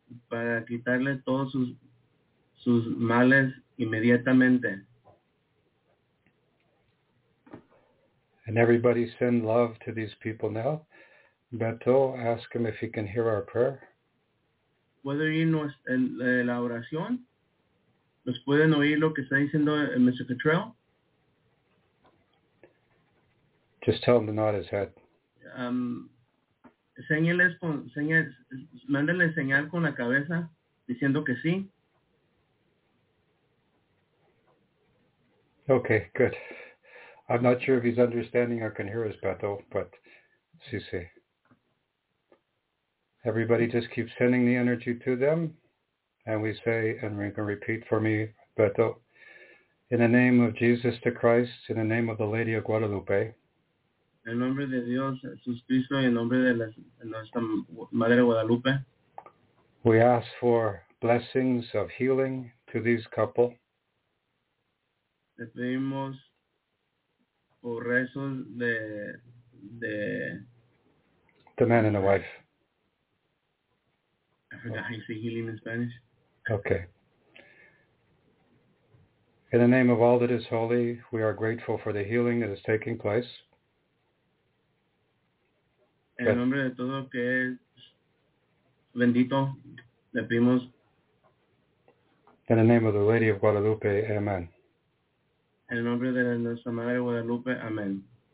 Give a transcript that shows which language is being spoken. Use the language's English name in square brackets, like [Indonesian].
[Spanish] Para quitarle todos sus males inmediatamente. [English] And everybody send love to these people now. Beto, ask him if he can hear our prayer. [Spanish] ¿Puede oírnos la oración? ¿Nos pueden oír lo que está diciendo Mr. Cottrell? [English] Just tell him to nod his head. [Spanish] Mándale señal con la cabeza diciendo que sí. [English] Okay, good. I'm not sure if he's understanding or can hear us, Beto, but [Spanish] sí, sí. [English] Everybody just keep sending the energy to them. And we say, and we can repeat for me, Beto, in the name of Jesus the Christ, in the name of the Lady of Guadalupe. [Spanish] En nombre de Dios, Jesús Cristo, y en nombre de nuestra Madre Guadalupe. [English] We ask for blessings of healing to these couple. [Spanish] Le pedimos por rezos de [English] the man and the wife. I forgot how you say healing in Spanish. Okay. In the name of all that is holy, we are grateful for the healing that is taking place. [Spanish] En el nombre de todo que es bendito, le pedimos. [English] In the name of the Lady of Guadalupe, amen. [Spanish] En el nombre de nuestra Madre Guadalupe, amén.